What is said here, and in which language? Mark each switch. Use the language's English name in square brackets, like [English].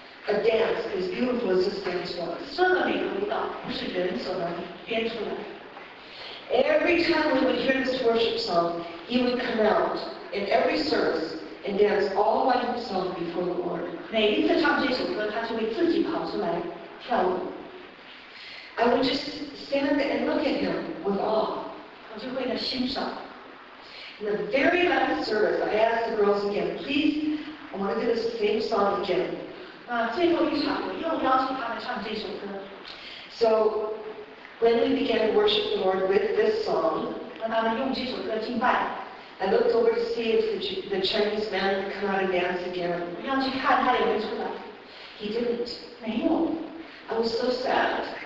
[English] A dance as beautiful as this dance was. [Chinese] 这么美的舞蹈不是人所能编出来。 [English] Every time we would hear this worship song, he would come out in every service and dance all by himself before the Lord. [Chinese] 每一次唱这首歌，他就会自己跑出来跳舞。 [English] I would just stand and look at him with awe. [Chinese] 我就会呢欣赏。 [English] In the very last service, I asked the girls again, please, I want to do the same song again. [Chinese] 最后一场我又邀请他们唱这首歌。 [English] So, when we began to worship the Lord with this song, [Chinese] 让他们用这首歌敬拜。 [English] I looked over to see if the Chinese man had come out and danced again. Now, you had had a winter life. He didn't. No. I was so sad.